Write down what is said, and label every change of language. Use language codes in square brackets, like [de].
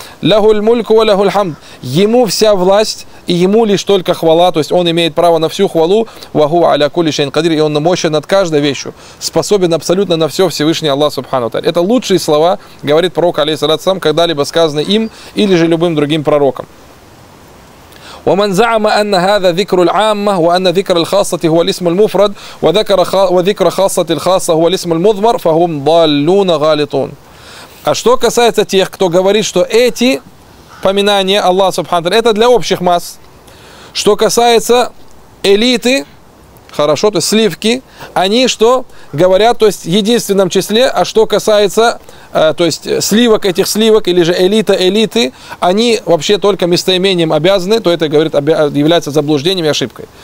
[ar] «Лягуль мульку ва лягуль хамд». [ru] Ему вся власть и ему лишь только хвала, то есть он имеет право на всю хвалу. [ar] «Ваху аля кули шейн кадир». [ru] И он мощен над каждой вещью, способен абсолютно на все Всевышний Аллах Субхану Таля. Это лучшие слова, говорит пророк, алейхиссалям, когда-либо сказаны им или же любым другим пророком. [ar] ومن زعم أن هذا ذكر العامة وأن ذكر الخاصة هو الاسم المفرد وذكر وذكر خاصة الخاصة هو الاسم المضمر فهم ضالون غالطون. [ru] А что касается тех, кто говорит, что эти поминания Аллаха Субхану Таля, это для общих масс. Что касается элиты, хорошо, то есть сливки, они что говорят, то есть в единственном числе, а что касается, то есть сливок этих сливок или же элита элиты, они вообще только местоимением обязаны, то это, говорит, является заблуждением и ошибкой.